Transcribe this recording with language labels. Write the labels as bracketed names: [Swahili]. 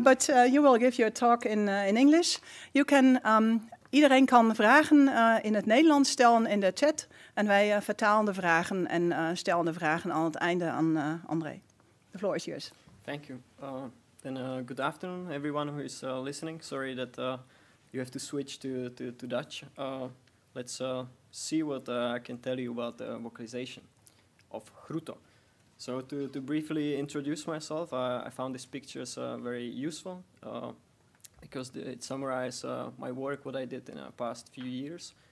[English] But you will give your talk in English. You can, [Dutch] iedereen kan vragen in het Nederlands stellen in de chat. En wij vertalen de vragen en stellen de vragen aan het einde aan Ondrej. [English] The floor is yours. Thank you. Good afternoon, everyone who is listening. Sorry that you have to switch to Dutch. Let's see what I can tell you about the vocalization of Grutto. So to briefly introduce myself, I found these pictures very useful because it summarizes my work, what I did in the past few years.